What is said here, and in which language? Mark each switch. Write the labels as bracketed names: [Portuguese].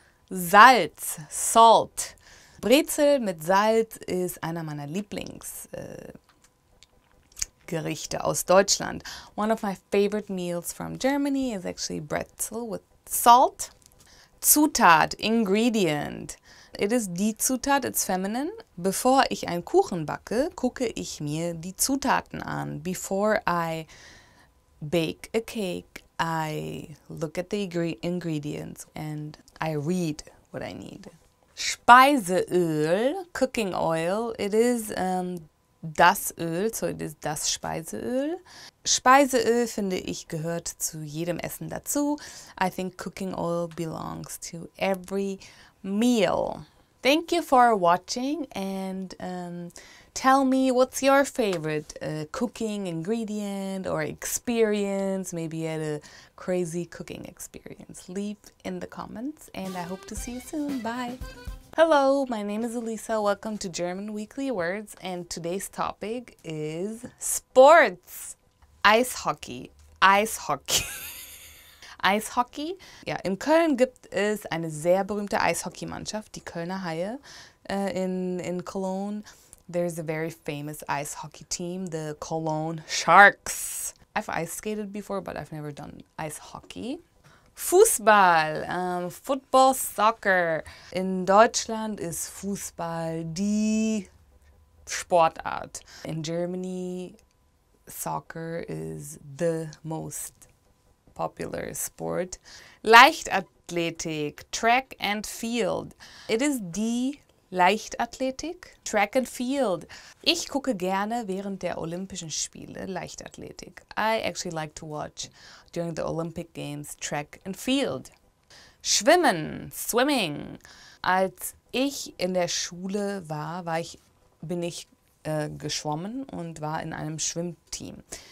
[German] Salz, salt. Brezel mit Salz ist einer meiner Lieblingsgerichte aus Deutschland. [English] One of my favorite meals from Germany is actually Brezel with salt. Zutat, ingredient. It is die Zutat, it's feminine. [German] Bevor ich einen Kuchen backe, gucke ich mir die Zutaten an. [English] Before I bake a cake, I look at the ingredients and I read what I need. Speiseöl, cooking oil. It is das Öl, so it is das Speiseöl. [German] Speiseöl, finde ich, gehört zu jedem Essen dazu. [English] I think cooking oil belongs to every meal. Thank you for watching, and tell me what's your favorite cooking ingredient or experience. Maybe you had a crazy cooking experience. Leave in the comments, and I hope to see you soon. Bye. Hello, my name is Elisa. Welcome to German Weekly Words, and today's topic is sports. Ice hockey. Ice hockey. Eishockey. [German] Ja, in Köln gibt es eine sehr berühmte Eishockeymannschaft, die Kölner Haie. [English] In Cologne, there's a very famous ice hockey team, the Cologne Sharks. I've ice skated before, but I've never done ice hockey. Fußball, Football, Soccer. [German] In Deutschland ist Fußball die Sportart. [English] In Germany, Soccer is the most popular sport. Leichtathletik, track and field. It is die Leichtathletik, track and field. [German] Ich gucke gerne während der Olympischen Spiele Leichtathletik. [English] I actually like to watch during the Olympic Games track and field. [German] Schwimmen, swimming. Als ich in der Schule war, bin ich geschwommen und war in einem Schwimmteam.